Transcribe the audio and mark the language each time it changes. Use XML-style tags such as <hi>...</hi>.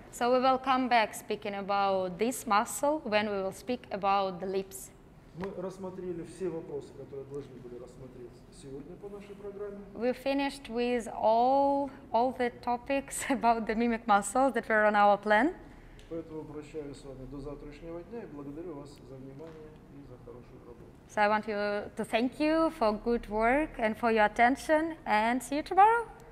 <en>So we will come back speaking about this muscle when we will speak about the lips.</en> <ru>Мы рассмотрели все вопросы, которые должны были рассмотреть сегодня по нашей программе.</ru> <en>We finished with all the topics about the mimic muscles that were on our plan.</en> <ru>Поэтому прощаюсь с вами до завтрашнего дня и благодарю вас за внимание и за хорошую работу.</ru> <en>So I want to thank you for good work and for your attention and see you tomorrow.</en>